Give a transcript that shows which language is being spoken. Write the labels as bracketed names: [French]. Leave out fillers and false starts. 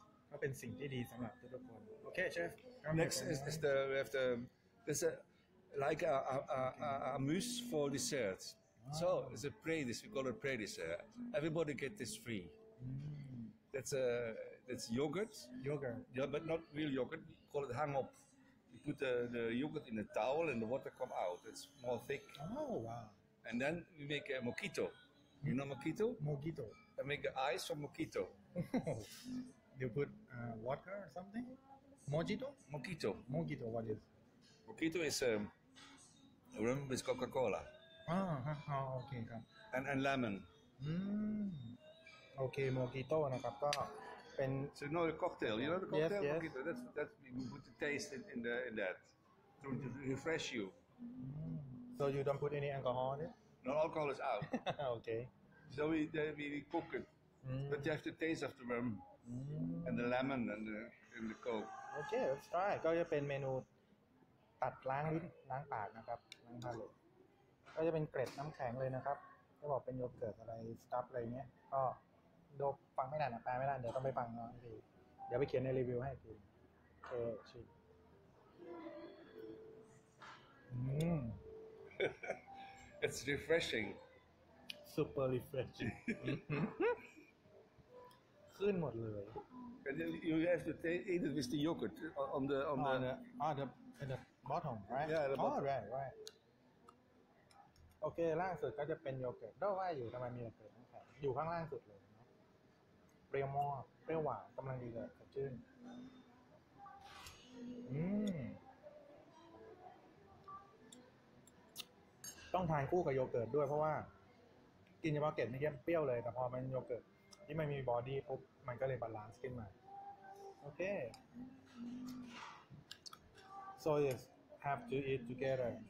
[Thai] ก็เป็นสิ่งที่ดีสำหรับทุกคนโอเคเชฟ [English] next is the we have the there's a like a mousse for dessert so it's a pre this we call it pre dessert everybody get this free that's yogurt yeah but not real yogurt we call it hang up you put the yogurt in a towel and the water come out it's more thick oh wow and then we make a mojito you know mojito I make the ice from mojito You put water or something? Mojito, what is? Mojito is rum with Coca-Cola. Ah, okay. And lemon. Okay, mojito, and a cup. So, you know the cocktail? You know the cocktail? Yes, mojito. Yes. That's, we put the taste in that. To refresh you. So, you don't put any alcohol in it? No, alcohol is out. Okay. So we cook it. Mm. But you have to taste of the rum and the lemon and the coke. Okay, let's try. [Thai] ก็จะเป็นเมนูตัดล้างลิ้นล้างปากนะครับล้างปากเลยก็จะเป็นเกล็ดน้ำแข็งเลยนะครับจะบอกเป็นโยเกิร์ตอะไรสตัฟอะไรเงี้ยก็โดบฟังไม่ได้นะแปลไม่ได้เดี๋ยวต้องไปฟังเนาะทีเดี๋ยวไปเขียนในรีวิวให้ทีโอเค [English] It's refreshing. Super refreshing. [Thai] ขึ้นหมดเลย [English] And you have to eat it with the yogurt on the on the in the bottom, right? Yeah, the bottom. Oh, right, right. [Thai] Okay, ล่างสุดก็จะเป็นโยเกิร์ตด้วยอยู่ทำไมมีโยเกิร์ตอยู่ข้างล่างสุดเลยเปรี้ยวมอเปรี้ยวหวานกำลังดีเลยสดชื่นต้องทานคู่กับโยเกิร์ตด้วยเพราะว่ากินเฉพาะเกล็ดไม่เข้มเปรี้ยวเลยแต่พอมันโยเกิร์ตที่มันมีบอดี้ปุ๊บมันก็เลยบาลานซ์ขึ้นมาโอเค [English] so yes have to eat together